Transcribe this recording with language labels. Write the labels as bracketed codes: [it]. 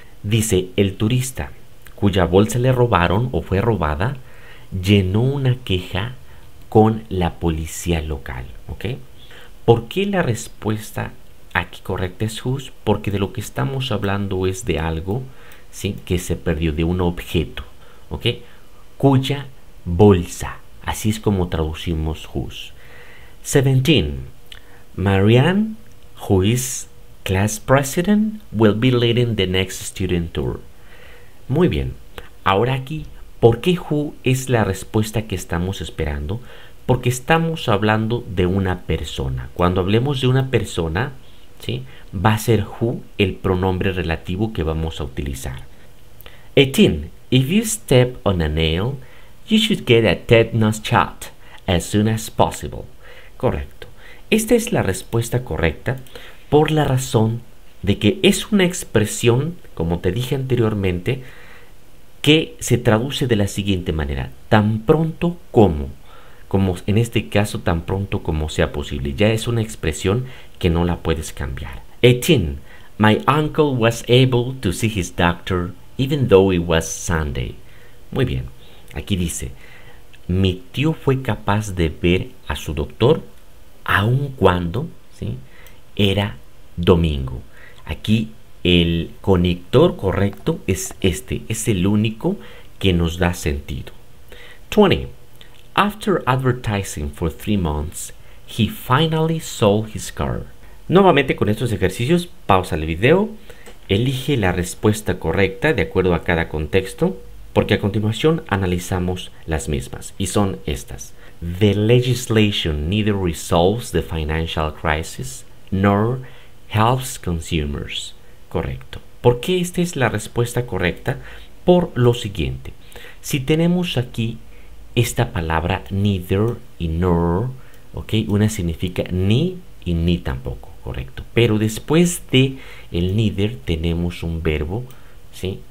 [es] Dice, el turista cuya bolsa le robaron o fue robada llenó una queja con la policía local, ¿ok? ¿Por qué la respuesta aquí correcta es whose? Porque de lo que estamos hablando es de algo, ¿sí? Que se perdió, de un objeto, ¿ok? Cuya bolsa. Así es como traducimos whose. 17. [en] Marianne, who is class president, will be leading the next student tour. [es] Muy bien. Ahora aquí, ¿por qué who es la respuesta que estamos esperando? Porque estamos hablando de una persona. Cuando hablemos de una persona, ¿sí? Va a ser who el pronombre relativo que vamos a utilizar. 18. [en] If you step on a nail, you should get a tetanus shot as soon as possible. [es] Correcto. Esta es la respuesta correcta por la razón de que es una expresión, como te dije anteriormente, que se traduce de la siguiente manera: tan pronto como. Como en este caso, tan pronto como sea posible. Ya es una expresión que no la puedes cambiar. 18. [en] My uncle was able to see his doctor even though it was Sunday. [es] Muy bien. Aquí dice, mi tío fue capaz de ver a su doctor aun cuando, ¿sí?, era domingo. Aquí el conector correcto es este. Es el único que nos da sentido. 20. [en] After advertising for 3 months, he finally sold his car. [es] Nuevamente con estos ejercicios, pausa el video, elige la respuesta correcta de acuerdo a cada contexto, porque a continuación analizamos las mismas y son estas. [en] The legislation neither resolves the financial crisis nor helps consumers. [es] Correcto. ¿Por qué esta es la respuesta correcta? Por lo siguiente. Si tenemos aquí esta palabra neither y nor, ¿ok? Una significa ni y ni tampoco, correcto. Pero después de el neither tenemos un verbo, ¿sí?